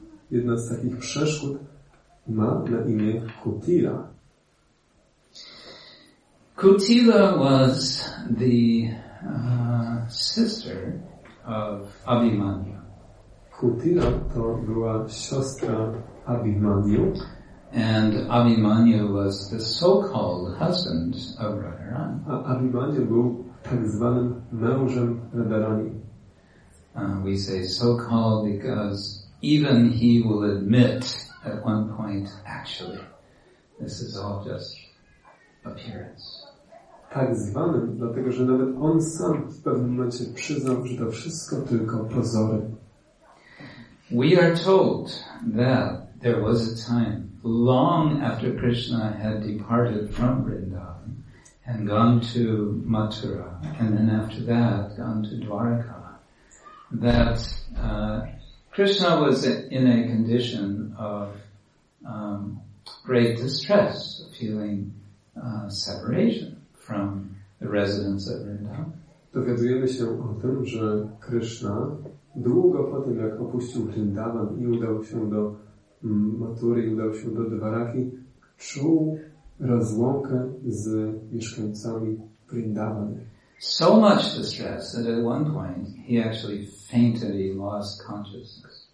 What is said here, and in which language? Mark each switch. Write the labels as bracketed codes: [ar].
[pl] Jedna z takich przeszkód ma na imię Kutila. [en] Kutila was the sister of Abhimanyu. [pl] Kutila to była siostra Abhimanyu. [en] And Abhimanyu was the so-called husband of Radharani. [pl] A Abhimanyu był tak zwanym mężem Radharani. [en] We say so-called because even he will admit at one point, actually, this is all just appearance. [pl] Tak zwanym, dlatego że nawet on sam w pewnym momencie przyznał, że to wszystko tylko pozory. [en] We are told that there was a time long after Krishna had departed from Vrindavan and gone to Mathura, and then after that gone to Dwarka, that Krishna was in a condition of great distress, feeling separation from the residents of Vrindavan. [pl] Dowiadujemy się o tym, że Krishna długo po tym, jak opuścił Vrindavan i udał się do Mathury, udał się do Dwaraki, czuł rozłąkę z mieszkańcami Vrindavan. [en] So much distress that at one point he actually fainted, he lost consciousness.